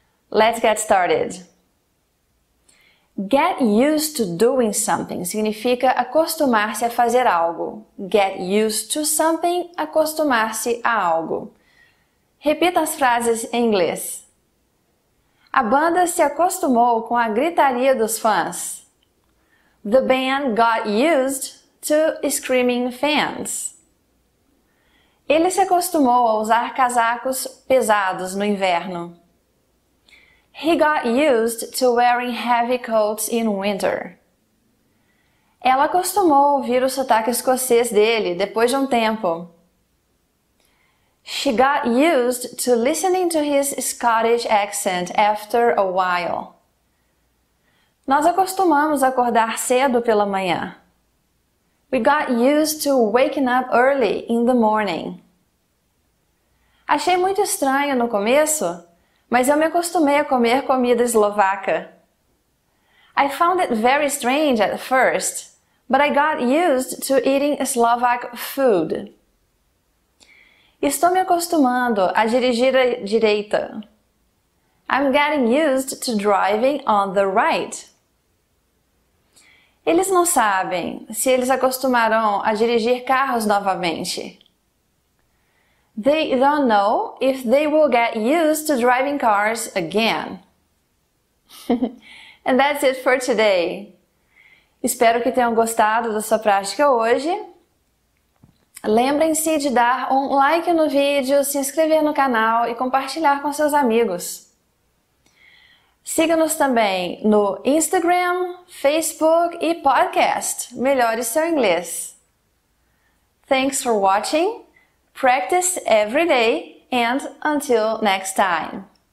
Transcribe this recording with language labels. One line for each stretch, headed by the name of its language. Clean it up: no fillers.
English: Let's get started! Get used to doing something
Portuguese: significa acostumar-se a fazer algo.
English: Get used to something,
Portuguese: acostumar-se a algo. Repita as frases em inglês. A banda se acostumou com a gritaria dos fãs.
English: The band got used to screaming fans.
Portuguese: Ele se acostumou a usar casacos pesados no inverno.
English: He got used to wearing heavy coats in winter.
Portuguese: Ela costumou ouvir o sotaque escocês dele depois de um tempo.
English: She got used to listening to his Scottish accent after a while.
Portuguese: Nós acostumamos acordar cedo pela manhã.
English: We got used to waking up early in the morning.
Portuguese: Achei muito estranho no começo. Mas eu me acostumei a comer comida eslovaca.
English: I found it very strange at first, but I got used to eating Slovak food.
Portuguese: Estou me acostumando a dirigir à direita.
English: I'm getting used to driving on the right.
Portuguese: Eles não sabem se eles acostumarão a dirigir carros novamente.
English: They don't know if they will get used to driving cars again. And that's it for today.
Portuguese: Espero que tenham gostado da sua prática hoje. Lembrem-se de dar um like no vídeo, se inscrever no canal e compartilhar com seus amigos. Siga-nos também no Instagram, Facebook e podcast. Melhore seu inglês.
English: Thanks for watching. Practice every day and until next time.